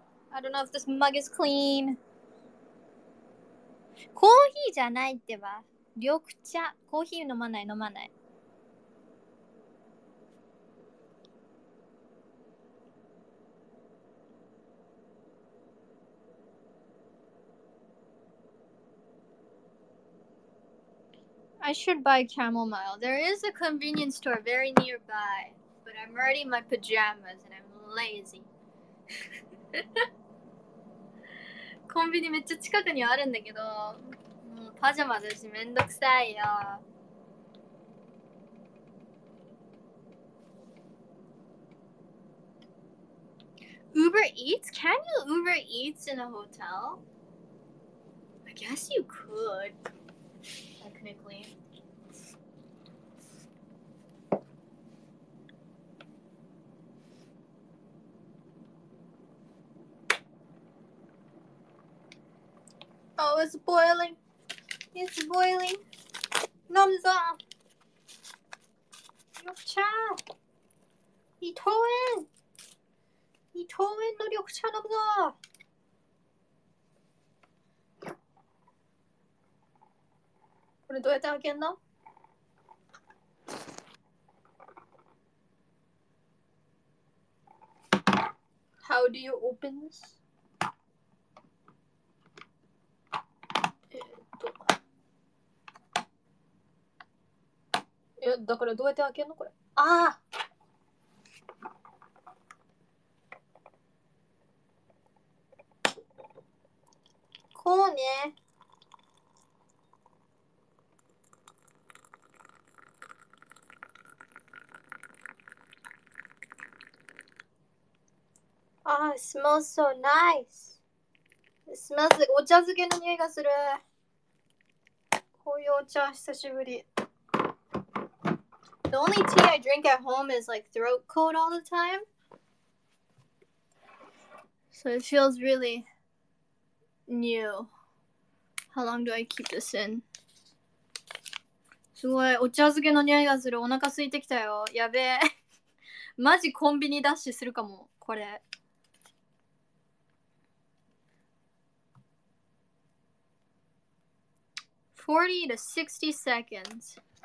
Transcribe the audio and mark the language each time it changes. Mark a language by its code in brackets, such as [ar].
[en] I don't know if this mug is clean. [ja] コーヒーじゃないってば。緑茶。コーヒー飲まない飲まない。 [en] I should buy chamomile. There is a convenience store very nearby, but I'm already in my pajamas and I'm lazy. [ja] コンビニめっちゃ近くにあるんだけど、もうパジャマだしめんどくさいよ。 [en] Uber Eats? Can you Uber Eats in a hotel? I guess you could, technically. Oh, it's boiling. It's boiling. Thumbs up. Ryokcha. Itoen. [ja] Itoen no ryokcha [en] thumbs up. [ja] これどうやって開けんの？ [en] How do you open this? [ja] いや、だからどうやって開けんのこれ。ああ。こうね。 [en] ああ、smells so nice。 smells like [ja] お茶漬けの匂いがする。こういうお茶久しぶり。 [en] The only tea I drink at home is like throat coat all the time. So it feels really new. How long do I keep this in? [ja] すごい、お茶漬けの匂いがする。お腹空いてきたよ。やべえ。マジコンビニダッシュするかも、これ。 [en] 40 to 60 seconds.